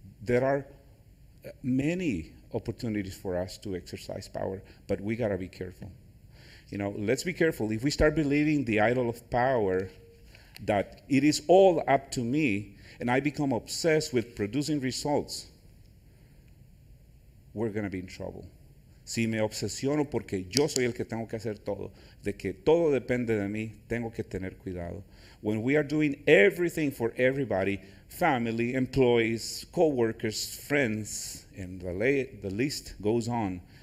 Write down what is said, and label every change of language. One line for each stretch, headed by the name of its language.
English: There are many opportunities for us to exercise power, but we gotta be careful. You know, let's be careful. If we start believing the idol of power, that it is all up to me, and I become obsessed with producing results, we're going to be in trouble.
Spanish: Si me obsesiono porque yo soy el que tengo que hacer todo, de que todo depende de mí, tengo que tener cuidado.
English: When we are doing everything for everybody, family, employees, coworkers, friends, and the list goes on.